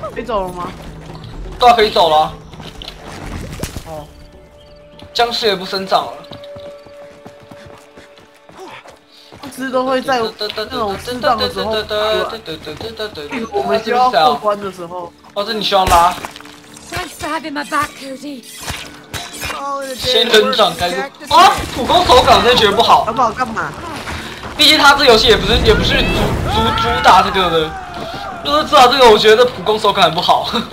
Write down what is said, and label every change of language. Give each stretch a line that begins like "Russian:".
Chinese: 可以走了吗？对啊，可以走了。哦，僵尸也不生长了。不知都会在那种适当的时候出来。比如我们需要过关的时候。哦，这你需要拉。
English: Thanks for having my back, Cody.
Chinese: 仙人掌开始啊！普攻手感真的觉得不好，好不好干嘛？毕竟他这游戏也不是主打这个的，就是至少这个我觉得普攻手感很不好。